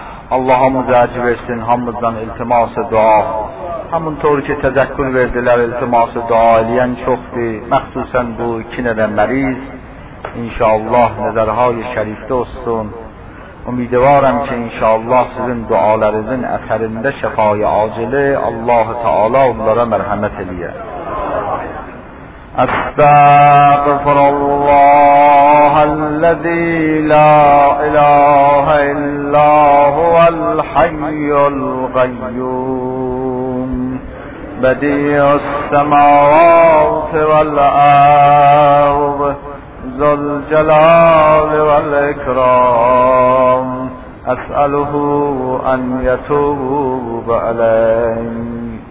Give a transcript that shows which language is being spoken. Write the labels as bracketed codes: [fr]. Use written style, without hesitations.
[az] Allah hamımıza acı versin, hamımızdan iltiması dua. Hamın doğru ki tezekkür verdiler, iltiması dua eleyen çoktu. Məxsusən bu iki nədən məriz. انشاءالله [fa] نظرهای شریف دوستون. [az] امیدوارم که انشاءالله سیزن دعالرزن اثرنده شفای عاجله الله تعالی اونداره مرحمت لیه. [ar] استغفر الله الذي لا اله الا هو الحي القيوم بديع السماوات والارض ذو الجلال والاكرام اساله ان يتوب علينا.